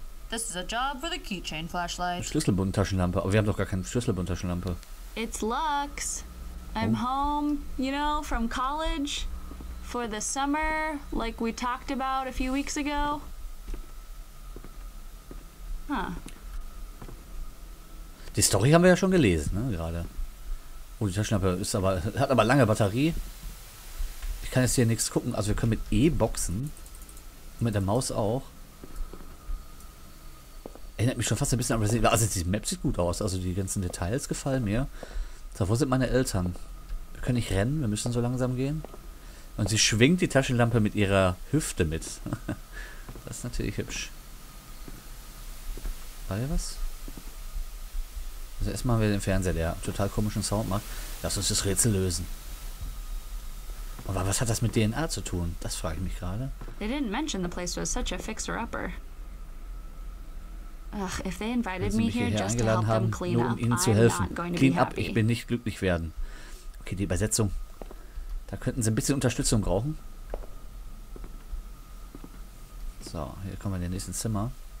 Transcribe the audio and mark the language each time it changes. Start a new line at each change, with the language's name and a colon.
English: This is a job for the keychain flashlight.
German: Schlüsselbundtaschenlampe. Aber wir haben doch gar keine Schlüsselbundtaschenlampe.
English: It's Lux. I'm home, you know, from college. For the summer, like we talked about a few weeks ago. Huh.
German: Die Story haben wir ja schon gelesen, ne, gerade. Oh, die Taschenlampe ist aber, hat aber lange Batterie. Ich kann jetzt hier nichts gucken. Also wir können mit E boxen. Und mit der Maus auch. Erinnert mich schon fast ein bisschen an Resident Evil. Also die Map sieht gut aus. Also die ganzen Details gefallen mir. So, wo sind meine Eltern? Wir können nicht rennen. Wir müssen so langsam gehen. Und sie schwingt die Taschenlampe mit ihrer Hüfte mit. Das ist natürlich hübsch. War hier was? Also erstmal haben wir den Fernseher, der total komischen Sound macht. Lass uns das Rätsel lösen. Aber was hat das mit DNA zu tun? Das frage ich mich gerade.
English: They didn't mention the place was such a fixer upper. Ach, if they invited me here just to help them clean up,
German: nur um ihnen zu helfen.
English: Clean up,
German: ich bin nicht glücklich werden. Okay, die Übersetzung. Da könnten sie ein bisschen Unterstützung brauchen. So, hier kommen wir in den nächsten Zimmer.